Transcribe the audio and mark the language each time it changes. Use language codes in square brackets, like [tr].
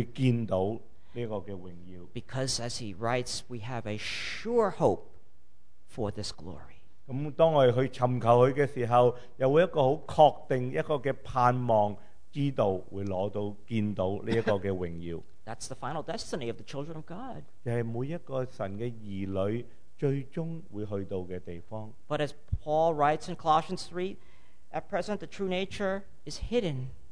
[zh] 但是那些要寻求他的人,他们会在罗马书第2章说,会见到这个荣耀。 [en] Because as he writes, we have a sure hope for this glory. [zh] 当我们去寻求他的时候,又会有一个很确定,一个盼望,知道会拿到,见到这个荣耀。 [en] That's the final destiny of the children of God. [zh] 就是每一个神的儿女最终会去到的地方。 [en] But as Paul writes in Colossians 3, at present the true nature is hidden.